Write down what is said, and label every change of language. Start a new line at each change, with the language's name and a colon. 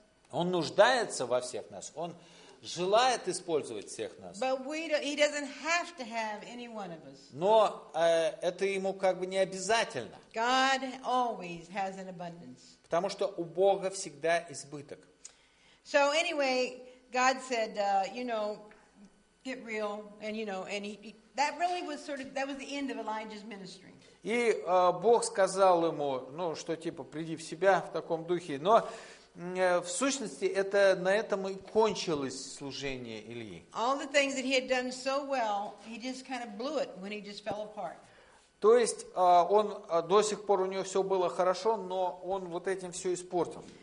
Russian: Он нуждается во всех нас. Он желает использовать всех нас. Но это ему как бы не обязательно.
English: God always has an abundance.
Russian: Потому что у Бога всегда избыток.
English: So anyway, God said, you know, get real, and you know, and that really was sort of that was the end of Elijah's ministry.
Russian: И Бог сказал ему, ну что типа приди в себя в таком духе, но в сущности, это на этом и кончилось служение Ильи. То есть, он до сих пор у него все было хорошо, но он вот этим все испортил.